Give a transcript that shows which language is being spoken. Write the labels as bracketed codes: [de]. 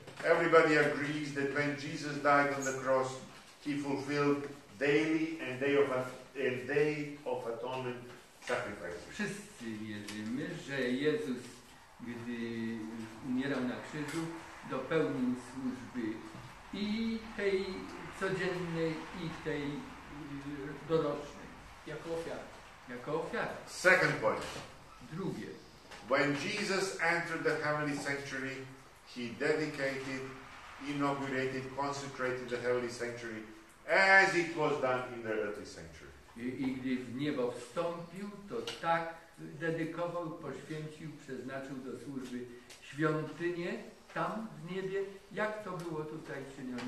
[en] Everybody agrees that when Jesus died on the cross, he fulfilled daily and day of atonement. [pl] Wszyscy wierzymy, że Jezus, gdy umierał na krzyżu, dopełnił służby i tej codziennej, i tej dorocznej, jako ofiara. [en] Second point. [pl] Drugie. [en] When Jesus entered the heavenly sanctuary, he dedicated, inaugurated, consecrated the heavenly sanctuary as it was done in the earthly sanctuary. [pl] I gdy w niebo wstąpił, to tak dedykował, poświęcił, przeznaczył do służby świątynię tam w niebie, jak to było tutaj czynione.